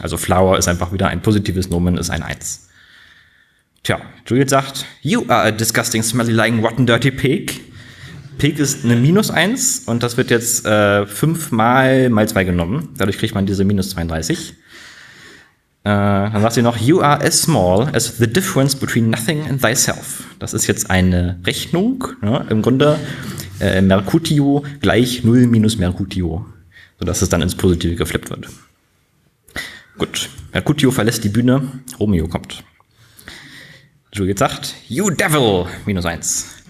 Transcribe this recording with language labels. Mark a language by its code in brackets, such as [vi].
[de] Also flower ist einfach wieder ein positives Nomen, ist ein 1. Tja, Juliet sagt, [en] you are a disgusting, smelly, lying, rotten, dirty pig. [de] Pig ist eine minus 1 und das wird jetzt 5 mal 2 genommen. Dadurch kriegt man diese minus 32. Dann sagt sie noch, [en] you are as small as the difference between nothing and thyself. [de] Das ist jetzt eine Rechnung, ne? Im Grunde Mercutio gleich 0 minus Mercutio, sodass es dann ins Positive geflippt wird. Gut, Mercutio verlässt die Bühne, Romeo kommt. Juliet sagt, [en] you devil, [de] minus 1.